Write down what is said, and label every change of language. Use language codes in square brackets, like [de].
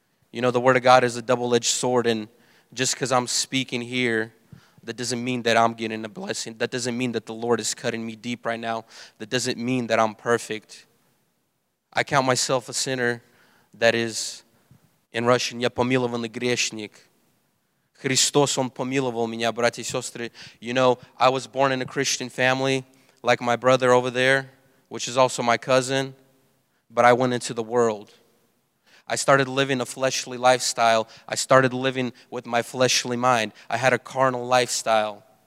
[en] You know, the Word of God is a double-edged sword, and just because I'm speaking here, that doesn't mean that I'm getting a blessing. That doesn't mean that the Lord is cutting me deep right now. That doesn't mean that I'm perfect. I count myself a sinner, that is, in Russian, [ru] я помилованный грешник. Христос, он помиловал меня, братья и сестры. [en] You know, I was born in a Christian family, like my brother over there, which is also my cousin, but I went into the world. I started living a fleshly lifestyle. I started living with my fleshly mind. I had a carnal lifestyle.